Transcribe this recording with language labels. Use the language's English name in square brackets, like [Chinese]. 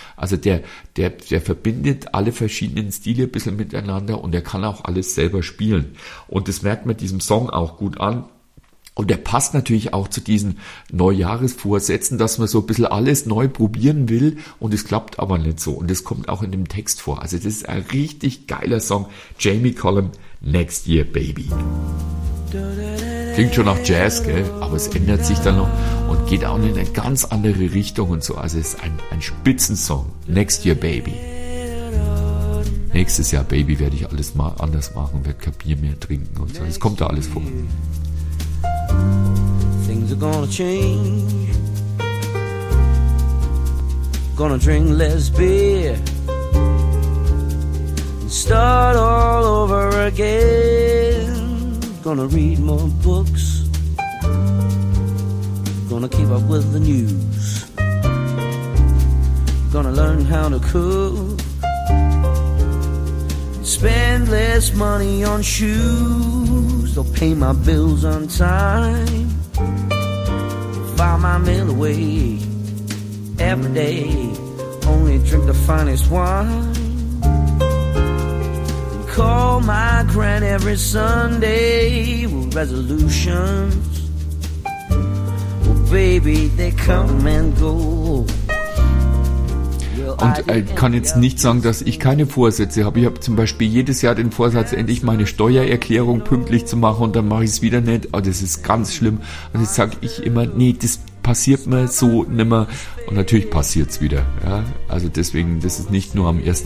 [German] Also der verbindet alle verschiedenen Stile ein bisschen miteinander und er kann auch alles selber spielen. Und das merkt man diesem Song auch gut an. Und der passt natürlich auch zu diesen Neujahresvorsätzen, dass man so ein bisschen alles neu probieren will und es klappt aber nicht so. Und das kommt auch in dem Text vor. Also das ist ein richtig geiler Song. Jamie Cullum, Next Year Baby. Klingt schon nach Jazz, gell? Aber es ändert sich dann noch und geht auch in eine ganz andere Richtung und so. Also es ist ein Spitzensong. Next Year Baby. Nächstes Jahr Baby werde ich alles mal anders machen, werde kein Bier mehr trinken und so. Es kommt da alles vor. [English] Things are gonna change. Gonna drink less beer and start all over again. Gonna read more books. Gonna keep up with the news. Gonna learn how to cook and spend less money on shoes. I'll pay my bills on time, file my mail away every day, only drink the finest wine, call my grand every Sunday with resolutions. Well, baby, they come and go. [German] Und kann jetzt nicht sagen, dass ich keine Vorsätze habe. Ich habe zum Beispiel jedes Jahr den Vorsatz, endlich meine Steuererklärung pünktlich zu machen und dann mache ich es wieder nicht. Oh, das ist ganz schlimm. Und jetzt sage ich immer, nee, das passiert mir so nimmer. Und natürlich passiert es wieder. Ja? Also deswegen, das ist nicht nur am 1.